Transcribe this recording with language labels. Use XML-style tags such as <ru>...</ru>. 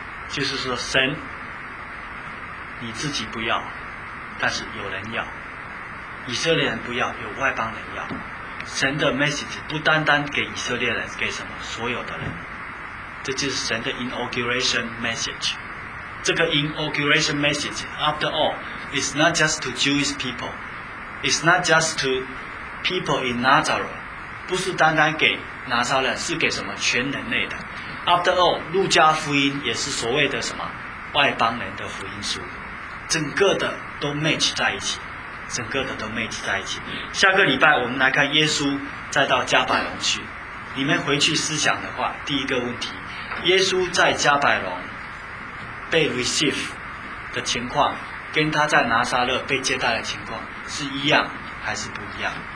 <zh>就是说神你自己不要，但是有人要，以色列人不要，有外邦人要。神的 message 不单单给以色列人，给什么？所有的人。这就是神的 inauguration message。这个</zh> <en>inauguration message after all is not just to Jewish people, it's not just to people in Nazareth，</en> <zh>不是单单给拿撒勒，是给什么？全人类的。</zh> <en>after all，</en> <zh>路加福音也是所谓的什么外邦人的福音书，整个的都 match 在一起，整个的都 match 在一起。下个礼拜我们来看耶稣再到加百隆去。你们回去思想的话，第一个问题，耶稣在加百隆被 receive 的情况，跟他在拿撒勒被接待的情况是一样还是不一样？</zh>